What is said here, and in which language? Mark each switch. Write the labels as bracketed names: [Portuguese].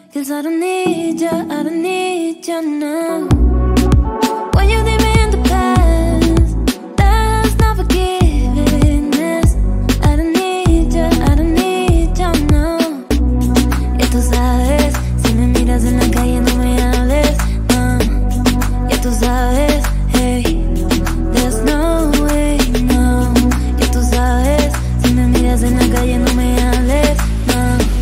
[English] I don't need ya, I don't need ya now. When you leave me in the past, that's not forgiveness. I don't need ya, I don't need ya now. [Spanish] Y tú sabes, si me miras en la calle no me hables, no. Y tú sabes, [English] hey, there's no way, no. [Spanish] Y tú sabes, si me miras en la calle no me hables, no.